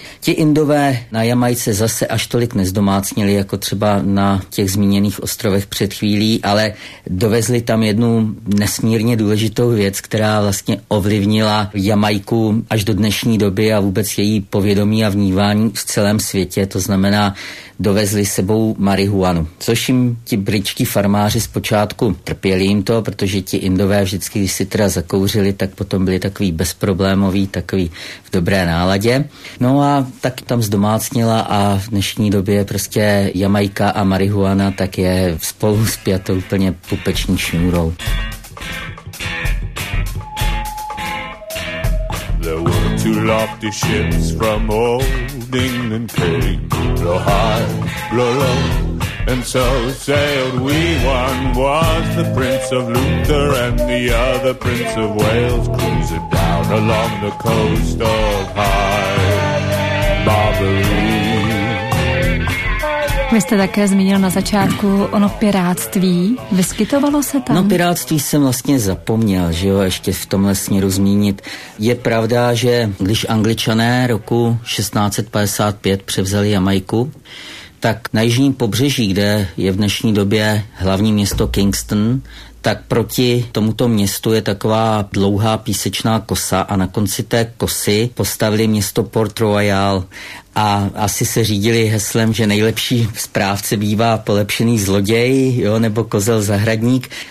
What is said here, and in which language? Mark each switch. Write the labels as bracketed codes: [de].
[cs] Ti Indové na Jamajce zase až tolik nezdomácnili, jako třeba na těch zmíněných ostrovech před chvílí, ale dovezli tam jednu nesmírně důležitou věc, která vlastně ovlivnila Jamajku až do dnešní doby a vůbec její povědomí a vnívání v celém světě, to znamená dovezli sebou marihuanu, což jim ti britští farmáři zpočátku trpěli jim to, protože ti Indové vždycky, když si teda zakouřili, tak potom byli takový bezproblémový, takový v dobré náladě. No a tak tam zdomácnila a v dnešní době prostě Jamajka a marihuana tak je spolu spjato úplně pupeční šňůrou. [en] There were two lofty ships from old England came, blow high, blow low, and so sailed we. One was the Prince of Luther and the other Prince of Wales, cruising down along the coast of high Barbary. [cs] Vy jste také zmínil na začátku ono pirátství. Vyskytovalo se tam? No, pirátství jsem vlastně zapomněl, že jo, ještě v tomhle směru zmínit. Je pravda, že když Angličané roku 1655 převzali Jamajku, tak na jižním pobřeží, kde je v dnešní době hlavní město Kingston, tak proti tomuto městu je taková dlouhá písečná kosa a na konci té kosy postavili město Port Royal a asi se řídili heslem, že nejlepší správce bývá polepšený zloděj, jo, nebo kozel zahradník.